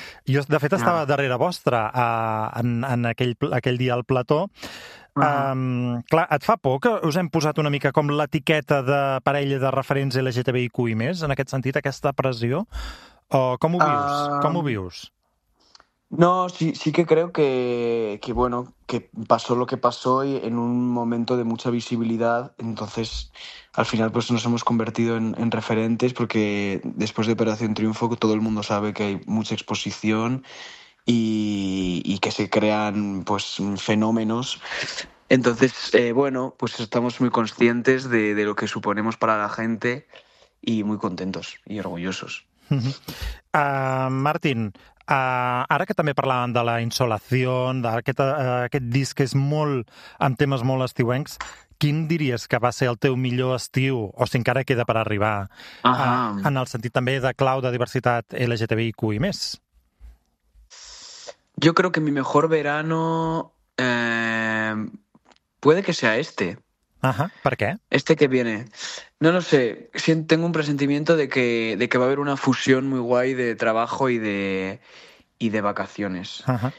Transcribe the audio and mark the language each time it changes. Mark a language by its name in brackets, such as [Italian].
[Catalan] Jo, de fet, estava darrere vostra en aquell dia al plató. Clar, et fa por que us hem posat una mica com l'etiqueta de parella de referents LGTBIQ+, en aquest sentit, aquesta pressió? O com ho vius? Com ho vius? [Spanish] No, sí que creo que bueno, que pasó lo que pasó y en un momento de mucha visibilidad, entonces al final pues nos hemos convertido en referentes, porque después de Operación Triunfo todo el mundo sabe que hay mucha exposición y que se crean pues fenómenos. Entonces, bueno, pues estamos muy conscientes de lo que suponemos para la gente y muy contentos y orgullosos. [Catalan] Martin, Ara que també parlàvem de la insolació, d'aquest aquest disc que és molt amb temes molt estiuencs, quin diries que va ser el teu millor estiu, o si encara queda per arribar, en el sentit també de clau de diversitat LGTBIQ i més? [Spanish] Yo creo que mi mejor verano puede que sea este. Ajá, ¿por qué? Este que viene. No lo sé, tengo un presentimiento de que va a haber una fusión muy guay de trabajo y de vacaciones. Ajá.